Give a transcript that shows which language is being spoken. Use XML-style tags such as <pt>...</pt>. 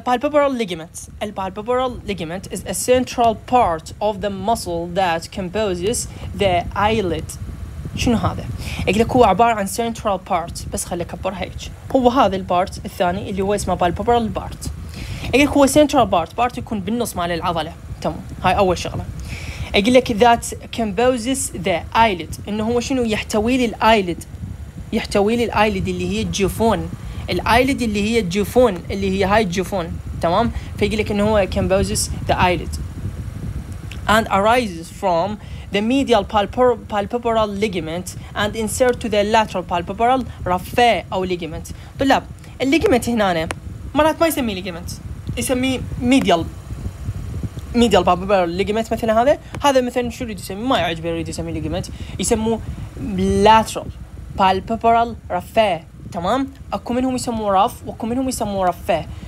<en>The palpebral ligament is a central part of the muscle that composes the eyelid.</en> <ar>شنو هذا؟ يقول لك هو عبارة عن central part بس خلي كبر هيك. هو هذا البارت الثاني اللي هو اسمه palpebral part. يقول لك هو central part part يكون بالنص مال العضلة. تمام. هاي أول شغلة. يقول لك</ar> <en>that composes the eyelid.</en> <ar>إنه هو شنو يحتوي للإيليد؟ يحتوي للإيليد اللي هي الجفون. الايليد اللي هي الجفون اللي هي هاي الجفون تمام. فيقول لك انه هو</ar> <en>composes the eyelid and arises from the medial palpebral ligament and insert to the lateral palpebral raphe او ligament.</en> <ar>طلاب الليجمنت هنا مرات ما يسمي ligament يسمي medial palpebral ligament مثلا هذا مثلا شو يريد يسمي ما يعجبه يريد يسمي ligament يسموه lateral palpebral raphe تمام. اكو منهم يسموه رف واكو منهم يسموه رفه.</ar>